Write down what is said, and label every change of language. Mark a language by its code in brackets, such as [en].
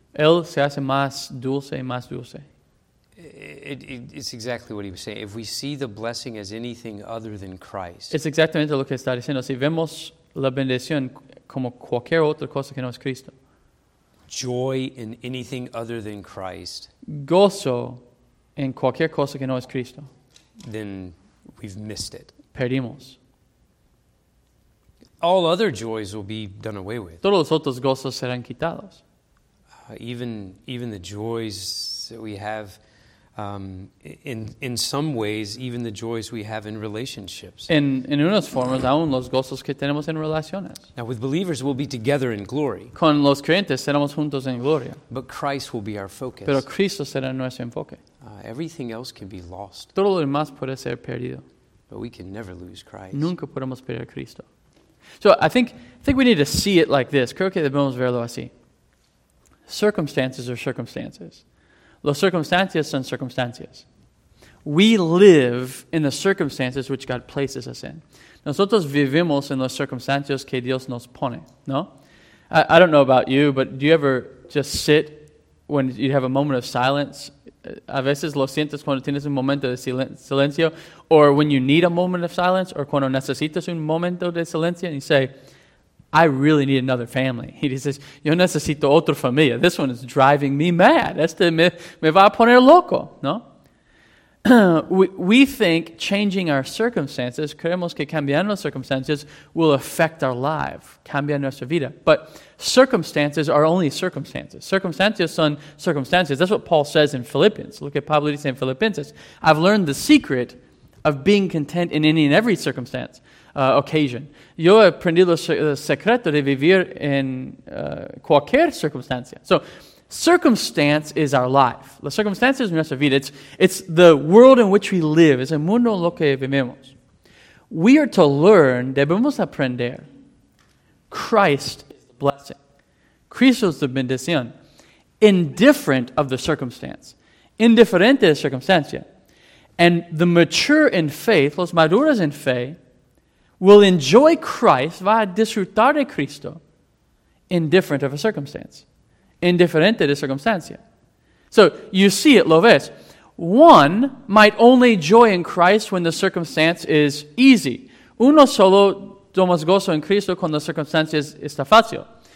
[es] Él se hace más dulce y más dulce. [en] It's exactly what he was saying. If we see the blessing as anything other than Christ, [es] es exactamente lo que está diciendo. Si vemos la bendición como cualquier otra cosa que no es Cristo, [en] joy in anything other than Christ, [es] gozo en cualquier cosa que no es Cristo, [en] then we've missed it. [es] Perdimos. [en] All other joys will be done away with. [es] Todos los otros gozos serán quitados. [en] Even the joys that we have. In some ways, even the joys we have in relationships. [es] En unas formas, aún los gozos que tenemos en relaciones. [en] Now, with believers, we'll be together in glory. [es] Con los creyentes, seremos juntos en gloria. [en] But Christ will be our focus. [es] Pero Cristo será nuestro enfoque. [en] Everything else can be lost. [es] Todo lo demás puede ser perdido. [en] But we can never lose Christ. [es] Nunca podemos perder a Cristo. [en] So I think we need to see it like this. [es] Creo que debemos verlo así. [en] Circumstances are circumstances. [es] Los circunstancias son circunstancias. [en] We live in the circumstances which God places us in. [es] Nosotros vivimos en las circunstancias que Dios nos pone, ¿no? [en] I don't know about you, but do you ever just sit when you have a moment of silence? [es] A veces lo sientes cuando tienes un momento de silencio, [en] or when you need a moment of silence, or [es] cuando necesitas un momento de silencio, [en] and you say, I really need another family. He says, [es] yo necesito otra familia. [en] This one is driving me mad. [es] Este me va a poner loco, ¿no? [en] We think changing our circumstances, [es] creemos que cambiando las circunstancias [en] will affect our life, [es] cambia nuestra vida. [en] But circumstances are only circumstances. Circumstancias son circumstances. That's what Paul says in Philippians. Look at [es] Pablo dice en Filipenses. [en] I've learned the secret of being content in any and every circumstance. Occasion. [es] Yo he aprendido el secreto de vivir en cualquier circunstancia. [en] So, circumstance is our life. [es] La circunstancia es nuestra vida. [en] It's the world in which we live. [es] Es el mundo en lo que vivimos. [en] We are to learn, [es] debemos aprender, [en] Christ is the blessing. [es] Cristo es la bendición. [en] Indifferent of the circumstance. [es] Indiferente de la circunstancia. [en] And the mature in faith, [es] los maduros en fe, [en] will enjoy Christ, [es] va a disfrutar de Cristo, [en] indifferent of a circumstance. [es] Indiferente de circunstancia. [en] So, you see it, [es] lo ves. [en] One might only joy in Christ when the circumstance is easy. [es] Uno solo tomas gozo en Cristo cuando la circunstancia está fácil.